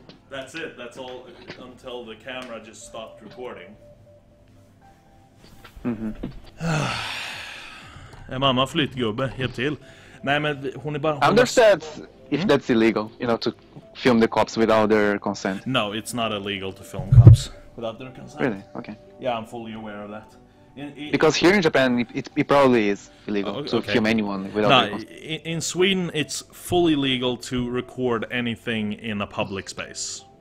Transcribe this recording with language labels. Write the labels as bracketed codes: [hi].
[en] That's it, that's all, until the camera just stopped recording. [sv] Är mamma flyttgubbe, hjälp till. Nej, men hon är bara... [en] I understand if that's illegal, you know, to film the cops without their consent. No, it's not illegal to film cops without their consent. Really? Okay. Yeah, I'm fully aware of that. Because here in Japan, it probably is illegal to film anyone without their consent. In Sweden, it's fully legal to record anything in a public space.